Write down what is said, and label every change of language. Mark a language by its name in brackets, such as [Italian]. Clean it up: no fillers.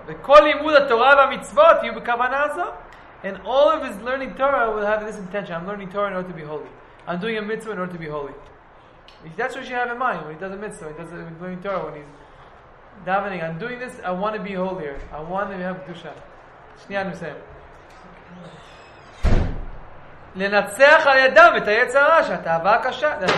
[Hebrew] וכל לימוד התורה והמצוות יהיו בכוונה הזו. [English] And all of his learning Torah will have this intention. I'm learning Torah in order to be holy. I'm doing a mitzvah in order to be holy. That's what you have in mind when he does a mitzvah. He does a learning Torah when he's davening. I'm doing this. I want to be holier. I want to have kedusha. Shnia nusem. [Hebrew] לנצח על ידם את היצר הרע שהתאווה הקשה.